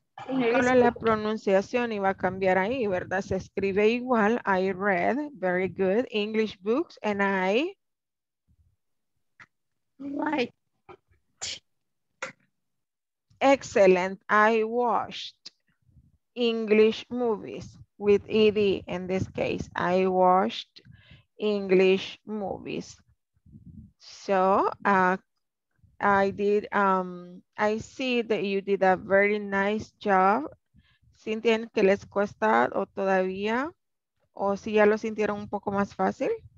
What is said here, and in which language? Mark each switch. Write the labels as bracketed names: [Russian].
[Spanish] Solo la pronunciación iba a cambiar ahí, ¿verdad? Se escribe igual. [English] I read, very good, English books, and I right. Excellent. I watched English movies with ED in this case. I watched English movies. So I see that you did a very nice job. [Spanish] ¿Sintieron que les cuesta o todavía? ¿O si ya lo sintieron un poco más fácil?